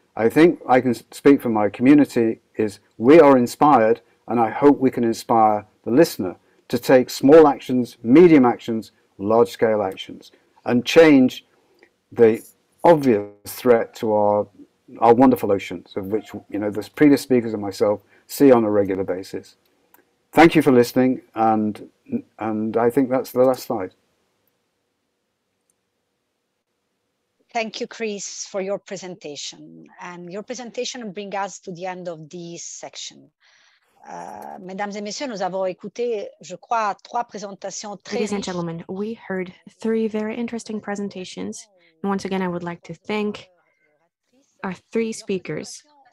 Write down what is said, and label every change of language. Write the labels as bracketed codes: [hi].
[en] I think I can speak for my community is we are inspired, and I hope we can inspire the listener to take small actions, medium actions, large scale actions, and change the obvious threat to our wonderful oceans, of which, you know, the previous speakers and myself see on a regular basis. Thank you for listening, and I think that's the last slide. Thank you, Chris, for your presentation. And your presentation brings us to the end of this section. [fr] Mesdames et messieurs, nous avons écouté, je crois, trois présentations très. [en] Ladies and gentlemen, we heard three very interesting presentations. And once again, I would like to thank our three speakers.